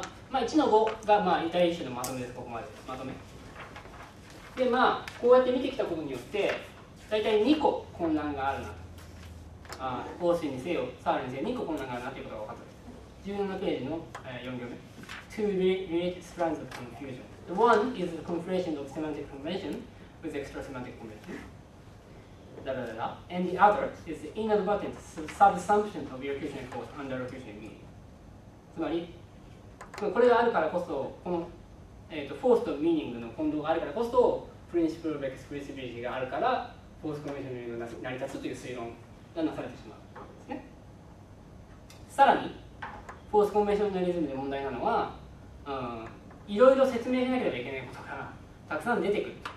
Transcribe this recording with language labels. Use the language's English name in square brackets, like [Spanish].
[Japanese] まあ、1の5が、まあ、第1種のまとめです、ここまで。まとめ。で、まあ、こうやって見てきたことによって、大体2個混乱があるなと。方針にせよ、サールにせよ、2個混乱があるなということが分かったです。 17ページの、4行目。 [English] Two related strands of confusion. The one is the conflation of semantic convention with extra-semantic convention. Da, da, da, da. And the other is the inadvertent subsumption of locational cause under locational meaning. [Japanese] つまり、これがあるからこそ、この、forced meaning の混同があるからこそ、principle of expressibility があるから、forced convention meaning が成り立つという推論がなされてしまうんですね。さらに、フォースコンベンショナリズムで問題なのは、いろいろ説明しなければいけないことがたくさん出てくる。